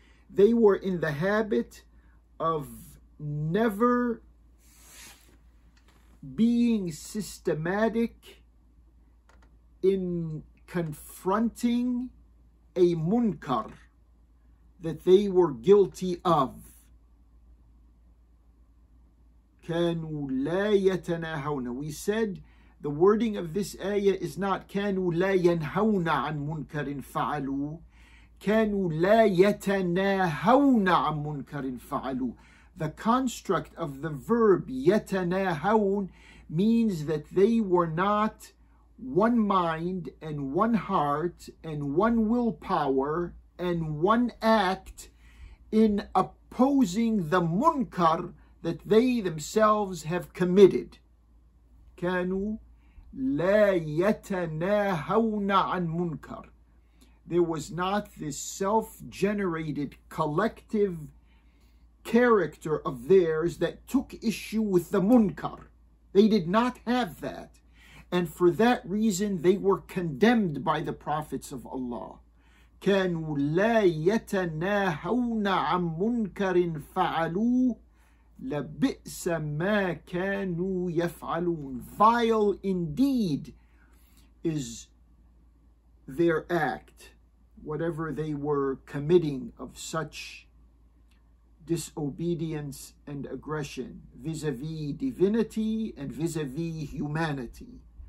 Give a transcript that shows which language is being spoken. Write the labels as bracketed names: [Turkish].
[English] They were in the habit of never being systematic in confronting a munkar that they were guilty of. [Arabic] كانوا لا يتناهون. [English] We said the wording of this ayah is not [Arabic] كانوا لا ينهون عن منكر فعلوا. كانوا لا يتناهون عن منكر فعلوا. [English] The construct of the verb يتناهون means that they were not one mind and one heart and one willpower and one act in opposing the munkar that they themselves have committed. [Arabic] كانوا لا يتناهون عن منكر. [English] There was not this self-generated collective character of theirs that took issue with the munkar. They did not have that. And for that reason, they were condemned by the prophets of Allah. [Arabic] كانوا لا يتناهون عن منكر فعلوا لَبِئْسَ مَا كَانُوا يَفْعَلُونَ. [English] Vile indeed is their act, whatever they were committing of such disobedience and aggression vis-a-vis divinity and vis-a-vis humanity.